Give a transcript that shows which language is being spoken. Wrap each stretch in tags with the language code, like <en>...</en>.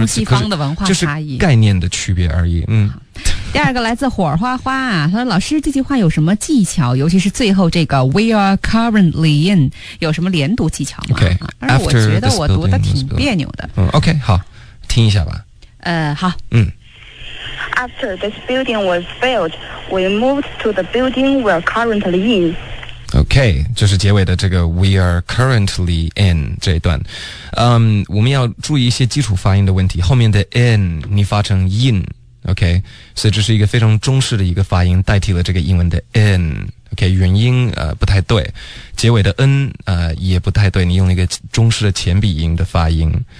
<zh>东西方的文化差异，是概念的区别而已。第二个来自火花花啊，他说老师这句话有什么技巧，尤其是最后这个</zh> <en>We are currently in，</en> <zh>有什么连读技巧吗？</zh> <en>Okay,</en> <zh>而我觉得我读的挺别扭的。 OK， 好，听一下吧。好。</zh> <en>After this building was built, we moved to the building we're currently in。</en> <zh>OK， 就是结尾的这个</zh> <en>We are currently in</en> <zh>这一段。我们要注意一些基础发音的问题，后面的 in 你发成 in。 OK， 所以这是一个非常中式的一个发音，代替了这个英文的 n。 OK， 元音不太对，结尾的 n 也不太对，你用了一个中式的前鼻音的发音。</zh>